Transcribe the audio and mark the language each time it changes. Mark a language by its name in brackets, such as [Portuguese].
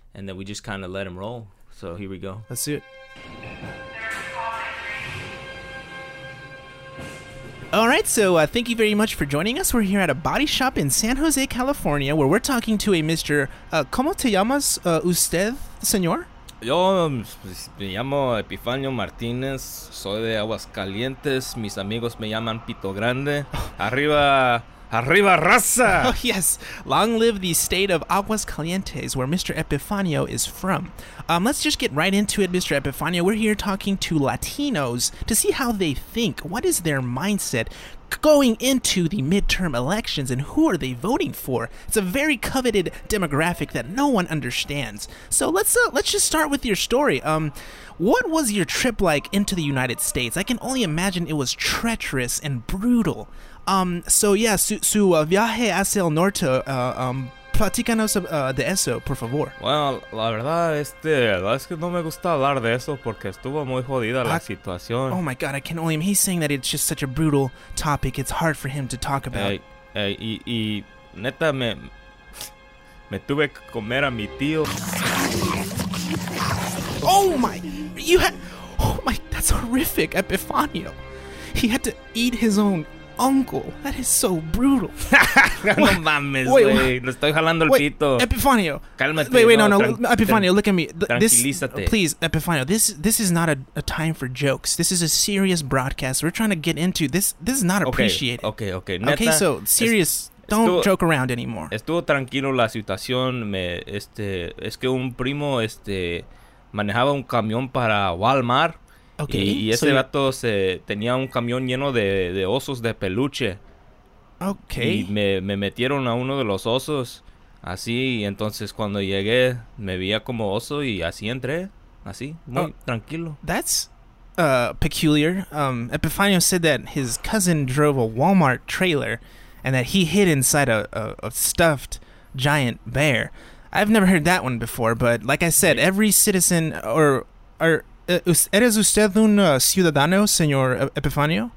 [English] And then we just kind of let him roll. So here we go. Let's see it. All right, so thank you very much for joining us. We're here at a body shop in San Jose, California, where we're talking to a Mr. [Spanish] ¿Cómo te llamas usted, señor? Yo me llamo Epifanio Martínez, soy de Aguascalientes, mis amigos me llaman Pito Grande. Arriba, arriba raza! [English] Oh yes, long live the state of Aguascalientes, where Mr. Epifanio is from. Let's just get right into it, Mr. Epifanio. We're here talking to Latinos to see how they think. What is their mindset going into the midterm elections, and who are they voting for? It's a very coveted demographic that no one understands. So let's just start with your story. What was your trip like into the United States? I can only imagine it was treacherous and brutal. [Spanish] Viaje hacia el norte, platícanos de eso, por favor. Bueno, la verdad, es que no me gusta hablar de eso porque estuvo muy jodida la situación. [English] Oh my god, I can only imagine. He's saying that it's just such a brutal topic, it's hard for him to talk about. [Spanish] Y neta, me tuve que comer a mi tío. [English] Oh my, that's horrific, Epifanio. He had to eat his own uncle. That is so brutal. [Spanish] No mames, güey. Le estoy jalando el pito. [English] Epifanio. [Spanish] Cálmate. [English] No, Epifanio, look at me. [Spanish] Tranquilízate. [English] Please, Epifanio, this is not a time for jokes. This is a serious broadcast. We're trying to get into this. This is not appreciated. Okay. Neta, okay, so serious. Don't joke around anymore. [Spanish] Estuvo tranquilo la situación. Es que un primo manejaba un camión para Walmart. [English] Okay. [Spanish] Y ese vato tenía un camión lleno de osos de peluche. [English] Okay. [Spanish] Y me metieron a uno de los osos. Así, entonces cuando llegué, me veía como oso y así entré, así, muy tranquilo. [English] That's peculiar. Epifanio said that his cousin drove a Walmart trailer and that he hid inside a stuffed giant bear. I've never heard that one before, but like I said, every citizen [Spanish] ¿Eres usted un ciudadano, señor Epifanio?